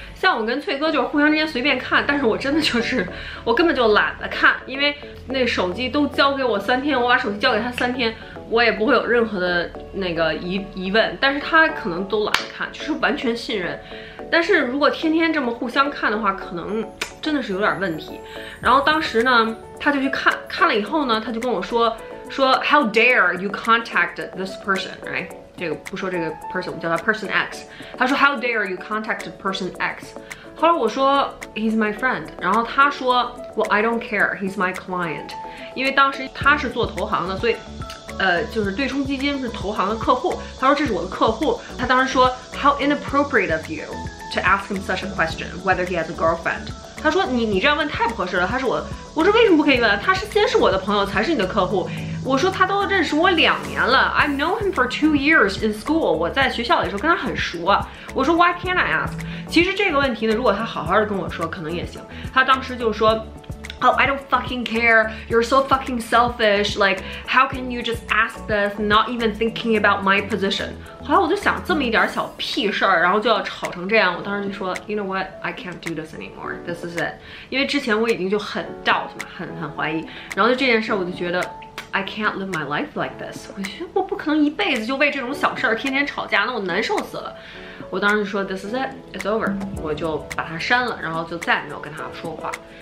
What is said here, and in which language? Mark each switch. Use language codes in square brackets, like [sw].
[zh] 像我跟翠哥就是互相之间随便看，但是我真的就是我根本就懒得看，因为那手机都交给我三天，我把手机交给他三天我也不会有任何的那个疑问，但是他可能都懒得看，就是完全信任。但是如果天天这么互相看的话可能真的是有点问题。然后当时呢他就去看，看了以后呢他就跟我说 [en] How dare you contact this person right， [zh] 这个不说这个 person 我叫他 person x， 他说 [en] How dare you contact person x。 [zh] 后来我说 [en] He's my friend， [zh] 然后他说 [en] Well I don't care he's my client， [zh] 因为当时他是做投行的，所以就是对冲基金是投行的客户，他说这是我的客户。他当时说 [en] How inappropriate of you to ask him such a question whether he has a girlfriend， [zh] 他说你这样问太不合适了，他是我说为什么不可以问，他是先是我的朋友才是你的客户。我说他都认识我2年了， [en] I know him for 2 years in school， [zh] 我在学校里的时候跟他很熟啊。我说 [en] why can't I ask， [zh] 其实这个问题呢如果他好好的跟我说可能也行。他当时就说 [en] Oh I don't fucking care you're so fucking selfish like how can you just ask this not even thinking about my position。 [zh] 后来我就想这么一点小屁事儿，然后就要吵成这样，我当时就说 [en] You know what I can't do this anymore this is it， [zh] 因为之前我已经就很 doubt 嘛，很怀疑，然后就这件事我就觉得 [en] I can't live my life like this， [zh] 我觉得我不可能一辈子就为这种小事儿天天吵架，那我难受死了。我当时就说 [en] This is it it's over， [zh] 我就把它删了，然后就再也没有跟他说话，